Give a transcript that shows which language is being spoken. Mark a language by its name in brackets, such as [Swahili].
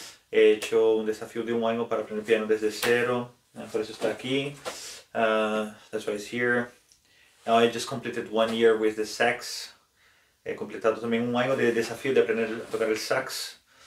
[Spanish] He hecho un desafío de 1 año para aprender piano desde cero. Por eso está aquí. [English] That's why it's here. Now I just completed 1 year with the sax. [Spanish] He completado también 1 año de desafío de aprender a tocar el sax.